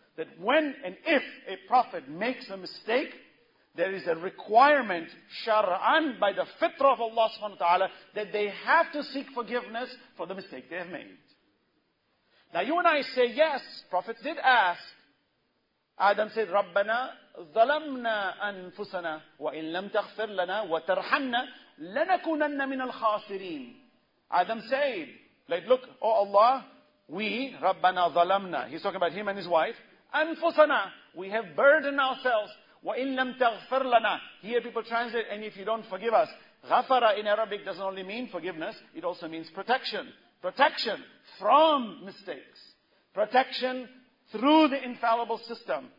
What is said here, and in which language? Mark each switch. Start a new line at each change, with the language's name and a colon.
English: That when and if a prophet makes a mistake, there is a requirement, shara'an, by the fitrah of Allah subhanahu wa ta'ala, that they have to seek forgiveness for the mistake they have made. Now you and I say, yes, prophets did ask. Adam said, Rabbana ظَلَمْنَا أَنفُسَنَا وَإِن لَمْ تَغْفِرْ لَنَا وَتَرْحَمْنَا لَنَكُونَنَّ مِنَ الْخَاسِرِينَ Adam said, like, look, oh Allah, we,
Arabic: رَبَّنَا ظَلَمْنَا.
English: He's talking about him and his wife.
Arabic: أَنفُسَنَا.
English: We have burdened ourselves.
Arabic: وَإِن لَمْ تَغْفِرْ لَنَا.
English: Here people translate, and if you don't forgive us. غَفَرَ in Arabic doesn't only mean forgiveness, it also means protection. Protection from mistakes. Protection through the infallible system.